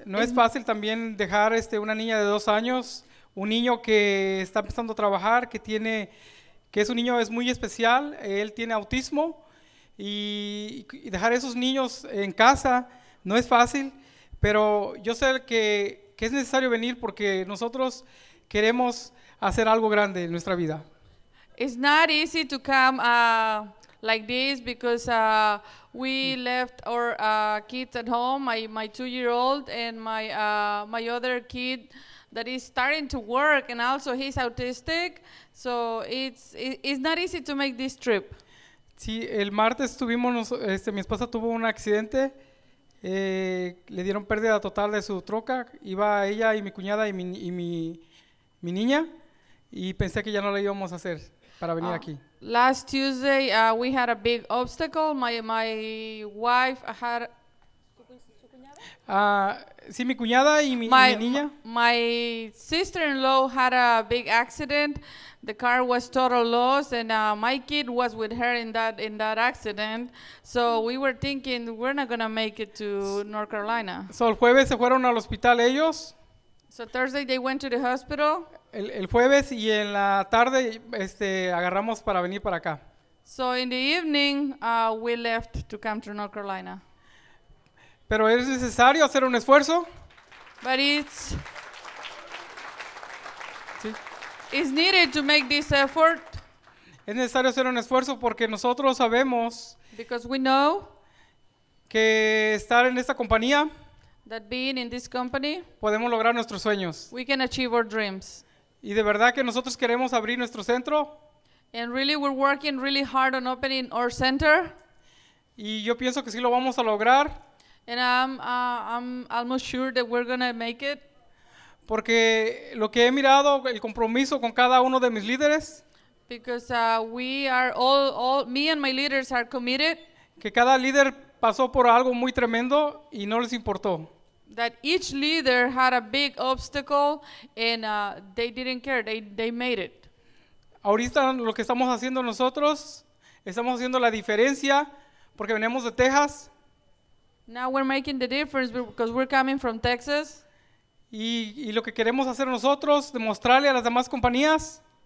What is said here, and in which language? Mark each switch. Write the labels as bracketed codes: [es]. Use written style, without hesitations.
[es] No es fácil también dejar una niña de 2 años, un niño que está empezando a trabajar, que es un niño es muy especial, él tiene autismo. Y dejar esos niños en casa no es fácil, pero yo sé que es necesario venir porque nosotros queremos hacer algo grande en nuestra vida. [en] It's not easy to come like this because we left our kids at home, my 2-year-old and my other kid that is starting to work and also he's autistic, so it's not easy to make this trip. [es] Sí, el martes mi esposa tuvo un accidente le dieron pérdida total de su troca. Iba ella y mi cuñada y mi niña, y pensé que ya no la íbamos a hacer para venir aquí. [en] Last Tuesday, we had a big obstacle. My wife had... [es] Sí, mi cuñada y mi niña. [en] My sister-in-law had a big accident. The car was total loss, and my kid was with her in that accident. So we were thinking we're not gonna make it to North Carolina. [es] So el jueves se fueron al hospital ellos. [en] So Thursday they went to the hospital. [es] El jueves y en la tarde agarramos para venir para acá. [en] So in the evening we left to come to North Carolina. [es] Pero es necesario hacer un esfuerzo. [en] But it's is needed to make this effort. [es] Es necesario hacer un esfuerzo porque nosotros sabemos, [en] because we know, [es] que estar en esta compañía, [en] that being in this company, [es] podemos lograr nuestros sueños. [en] We can achieve our dreams. [es] Y de verdad que nosotros queremos abrir nuestro centro. [en] And really we're working really hard on opening our center. [es] Y yo pienso que sí lo vamos a lograr. [en] And I'm almost sure that we're going to make it. [es] Porque lo que he mirado, el compromiso con cada uno de mis líderes. [en] Because we are all, me and my leaders are committed. [es] Que cada líder pasó por algo muy tremendo y no les importó. [en] That each leader had a big obstacle and they didn't care, they made it. [es] Ahorita lo que estamos haciendo nosotros, estamos haciendo la diferencia porque venimos de Texas. [en] Now we're making the difference because we're coming from Texas. [es] Y lo que queremos hacer nosotros, demostrarle a las demás compañías.